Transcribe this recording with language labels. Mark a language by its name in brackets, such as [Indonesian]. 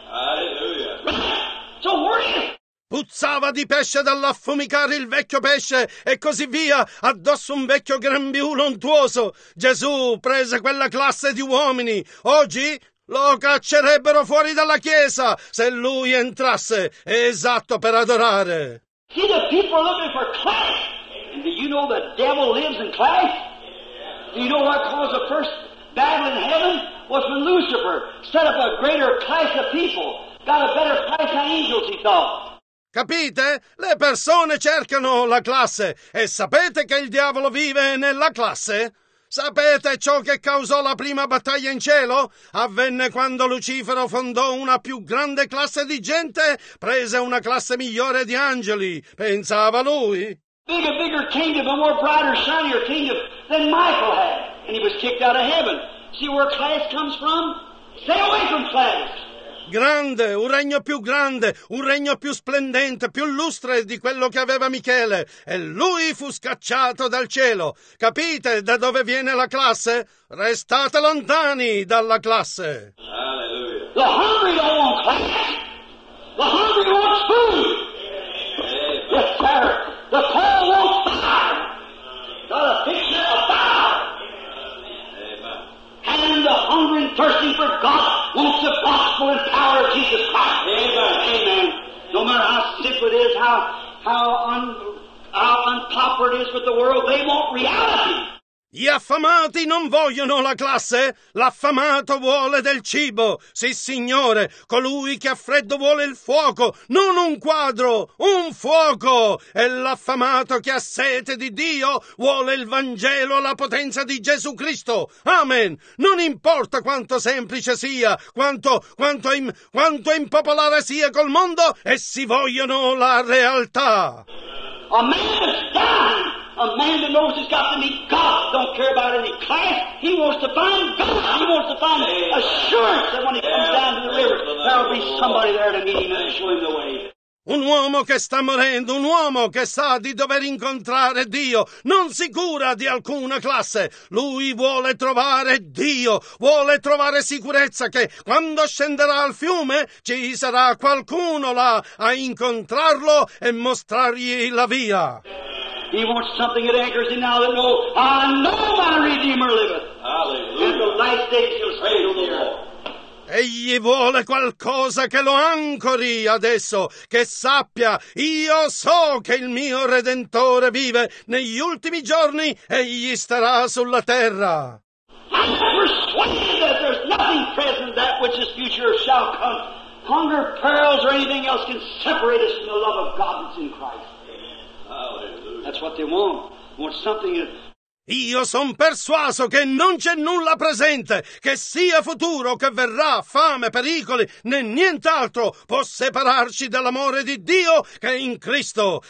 [English] Hallelujah. So where is it? [Italian] Puzzava di pesce dall'affumicare il vecchio pesce e così via, addosso un vecchio grembiule untuoso. Gesù prese quella classe di uomini. Oggi lo caccerebbero fuori dalla chiesa se lui entrasse, esatto, per adorare. [English] See, the people are looking for class. And do you know the devil lives in class? Do you know what caused the first battle in heaven? Was when Lucifer set up a greater class of people, got a better class than angels, he thought. [Italian] Capite? Le persone cercano la classe. E sapete che il diavolo vive nella classe? Sapete ciò che causò la prima battaglia in cielo? Avvenne quando Lucifero fondò una più grande classe di gente, prese una classe migliore di angeli. Pensava lui. [English] Bigger kingdom, a more brighter, shinier kingdom than Michael had. And he was kicked out of heaven. See where class comes from? Stay away from class. [Italian] Grande, un regno più grande, un regno più splendente, più lustre di quello che aveva Michele. E lui fu scacciato dal cielo. Capite da dove viene la classe? Restate lontani dalla classe. Alleluia. [English] The hungry don't want class. The hungry wants food. Yes, sir. The poor wants fire. Got a picture of fire. Amen. The hungry don't want fire. And the hungry and thirsty for God wants the gospel and power of Jesus Christ. Amen. No matter how sick it is, how unpopular it is with the world, they want reality. [Italian] Gli affamati non vogliono la classe, l'affamato vuole del cibo. Sì, signore, colui che ha freddo vuole il fuoco, non un quadro, un fuoco. E l'affamato che ha sete di Dio vuole il Vangelo, la potenza di Gesù Cristo. Amen. Non importa quanto semplice sia, quanto impopolare sia col mondo, essi vogliono la realtà. Amen. [English] A man that knows he's got to meet God don't care about any class. He wants to find God. He wants to find assurance that when he comes down to the river, there'll be somebody there to meet him and show him the way. [Italian] Un uomo che sta morendo, un uomo che sa di dover incontrare Dio, non si cura di alcuna classe. Lui vuole trovare Dio, vuole trovare sicurezza che quando scenderà al fiume ci sarà qualcuno là a incontrarlo e mostrargli la via. [English] He wants something that anchors him now that knows, I know my Redeemer liveth. Hallelujah. And the last day he'll say to the Lord. [Italian] Egli vuole qualcosa che lo ancori adesso, che sappia, io so che il mio Redentore vive, negli ultimi giorni egli starà sulla terra. [English] I'm persuaded that there's nothing present that which is future shall come. Hunger, perils, or anything else can separate us from the love of God that's in Christ. Hallelujah. That's what they want something that... [Italian] Io son persuaso che non c'è nulla presente, che sia futuro, che verrà, fame, pericoli, né nient'altro può separarci dall'amore di Dio che è in Cristo.